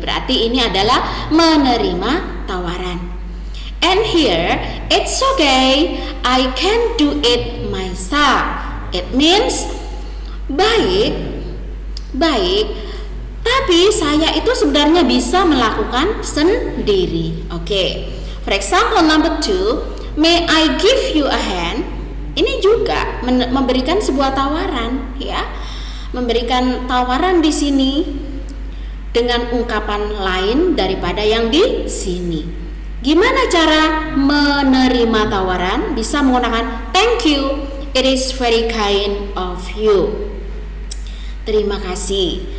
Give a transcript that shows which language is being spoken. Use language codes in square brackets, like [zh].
[id] Berarti ini adalah menerima tawaran. [en] And here, it's okay. I can do it myself. It means [id] baik, baik. Tapi saya itu sebenarnya bisa melakukan sendiri. Oke. Okay. [en] For example, number 2, may I give you a hand? [id] Ini juga memberikan sebuah tawaran, ya. Memberikan tawaran di sini dengan ungkapan lain daripada yang di sini. Gimana cara menerima tawaran? Bisa menggunakan [en] thank you. It is very kind of you. [id] Terima kasih.